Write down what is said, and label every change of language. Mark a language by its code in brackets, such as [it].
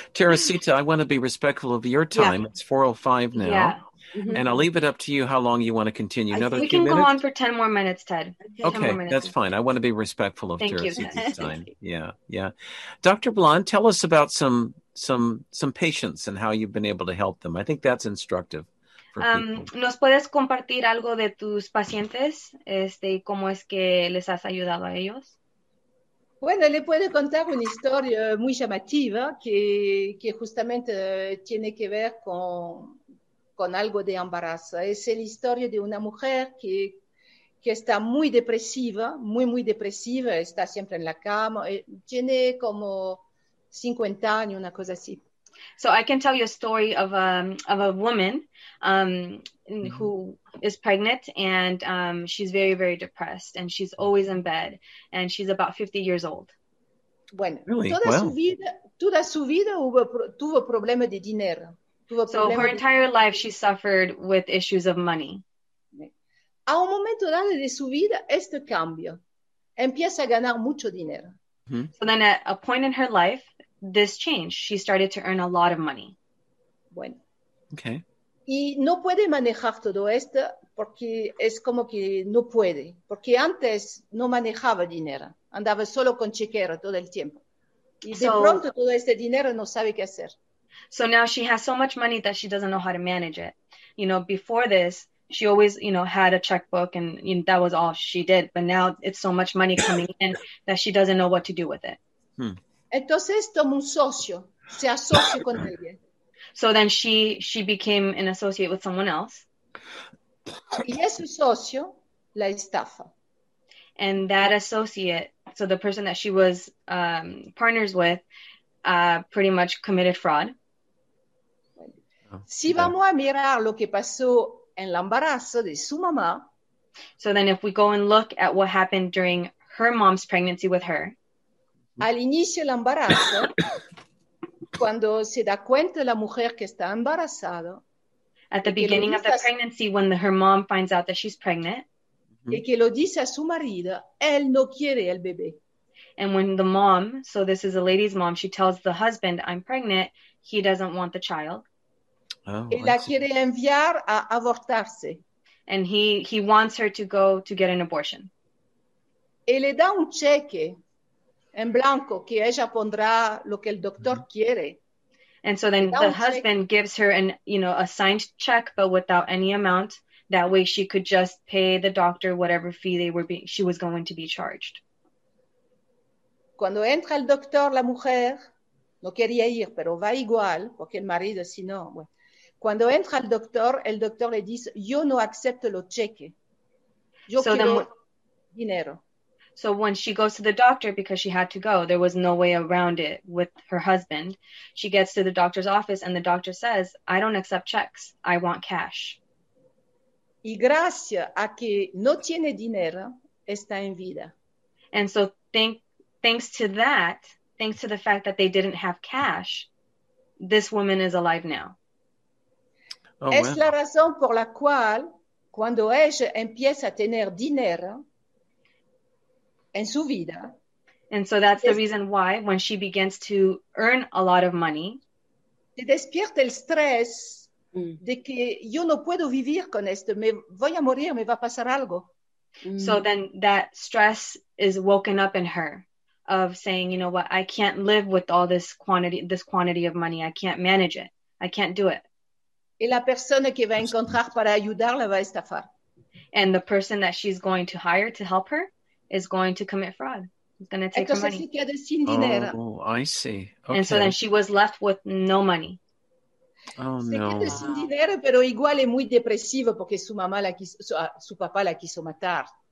[en] Teresita, I want to be respectful of your time. Yeah. It's 4:05 now. Yeah. Mm-hmm. And I'll leave it up to you how long you want to continue. Another few minutes? We can go on for 10 more minutes, Ted. Okay, that's fine. I want to be respectful of Teresita's time. Yeah, yeah. Dr. Blonde, tell us about some patients and how you've been able to help them. I think that's instructive. [es] ¿Nos puedes compartir algo de tus pacientes, cómo es que les has ayudado a ellos? Bueno, le puedo contar una historia muy llamativa que justamente tiene que ver con algo de embarazo. Es la historia de una mujer que está muy depresiva, muy, muy depresiva, está siempre en la cama, tiene como 50 años, una cosa así. [en] So I can tell you a story of a woman who is pregnant, and she's very, very depressed, and she's always in bed, and she's about 50 years old. Bueno, really? [es] Toda su vida, toda su vida tuvo problemas de dinero. [en] So her entire life she suffered with issues of money. [es] A un momento dado de su vida, esto cambia. Empieza a ganar mucho dinero. [en] So then at a point in her life, this changed. She started to earn a lot of money. [es] Bueno. [en] Okay. [es] Y no puede manejar todo esto porque es como que no puede. Porque antes no manejaba dinero. Andaba solo con chequera todo el tiempo. Y de pronto todo este dinero no sabe qué hacer. [en] So now she has so much money that she doesn't know how to manage it. You know, before this, she always, you know, had a checkbook and you know, that was all she did. But now it's so much money coming in that she doesn't know what to do with it. [es] Entonces toma un socio, se asocia con alguien. [en] So then she became an associate with someone else. [es] Y ese socio la estafa. [en] And that associate, so the person that she was partners with, pretty much committed fraud. [es] Si vamos a mirar lo que pasó en l'embarazo de su mamá. [en] So then if we go and look at what happened during her mom's pregnancy with her. [es] Al inicio del embarazo, cuando se da cuenta la mujer que está embarazada. [en] At the beginning of the pregnancy, when her mom finds out that she's pregnant. [es] y que lo dice a su marido, él no quiere el bebé. [en] And when the mom, so this is a lady's mom, she tells the husband, I'm pregnant, he doesn't want the child. [es] Oh, y la quiere enviar a abortarse. [en] And he wants her to go to get an abortion. [es] Y le da un cheque en blanco que ella pondrá lo que el doctor quiere. [en] And so then the husband gives her an, you know, a signed check, but without any amount. That way she could just pay the doctor whatever fee they were being, she was going to be charged. [es] Cuando entra el doctor, la mujer no quería ir, pero va igual, porque el marido si no. Cuando entra el doctor le dice, yo no acepto los cheques. Yo quiero dinero. [en] So when she goes to the doctor, because she had to go, there was no way around it with her husband. She gets to the doctor's office and the doctor says, I don't accept checks. I want cash. [es] Y gracias a que no tiene dinero, está en vida. [en] And so thanks to that, thanks to the fact that they didn't have cash, this woman is alive now. [es] Oh, es la razón por la cual cuando ella empieza a tener dinero, en su vida. [en] And so that's the reason why when she begins to earn a lot of money. [es] Se despierta el stress de que yo no puedo vivir con esto, me voy a morir, me va a pasar algo. [en] So then that stress is woken up in her of saying, you know what, I can't live with all this quantity of money. I can't manage it. I can't do it. [es] Y la persona que va a encontrar para ayudarla va a estafar. [en] And the person that she's going to hire to help her is going to commit fraud. He's going to take [es] entonces, [en] her money. [es] Se queda sin dinero. [en] Oh, I see. Okay. And so then she was left with no money. Oh, [es] se no. Se queda sin dinero, pero igual es muy depresivo porque su mamá la quiso, su papá la quiso matar.